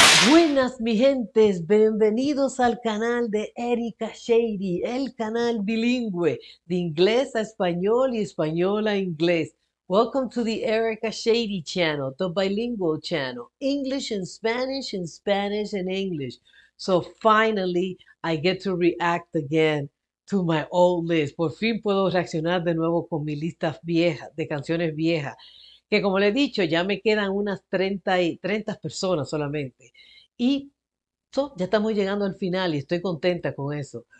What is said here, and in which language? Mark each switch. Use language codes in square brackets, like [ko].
[es] Buenas, mi gentes, bienvenidos al canal de Erika Shady, el canal bilingüe de inglés a español y español a inglés. [en] Welcome to the Erika Shady channel, the bilingual channel, English and Spanish and English. So finally, I get to react again to my old list. [es] Por fin puedo reaccionar de nuevo con mi lista vieja, de canciones viejas. Que como le he dicho, ya me quedan unas 30 personas solamente. Y ya estamos llegando al final y estoy contenta con eso.